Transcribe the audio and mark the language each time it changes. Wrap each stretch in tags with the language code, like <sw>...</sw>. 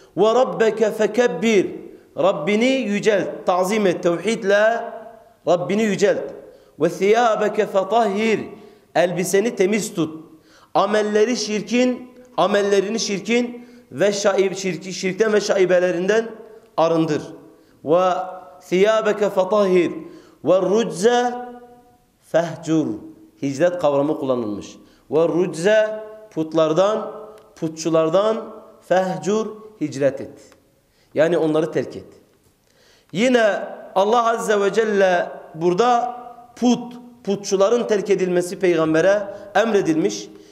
<ar>وَرَبَّكَ فَكَبِّرْ</ar> <tr>Rabbini yücelt, tazim et, tevhidle Rabbini yücelt.</tr> <ar>وَثِيَابَكَ فَطَهِّرْ</ar> <tr>elbiseni temiz tut. Amelleri şirkin, amellerini şirkin ve şirkten ve şaibelerinden arındır.</tr> <ar>وَثِيَابَكَ فَطَهِّرْ وَالرُّجْزَ فَهْجُرْ</ar> <tr>hicret kavramı kullanılmış. وَالرُّجْزَ putlardan, putçulardan fehcur hicret et. Yani onları terk et. Yine Allah Azze ve Celle burada putçuların terk edilmesi peygambere emredilmiş.</tr>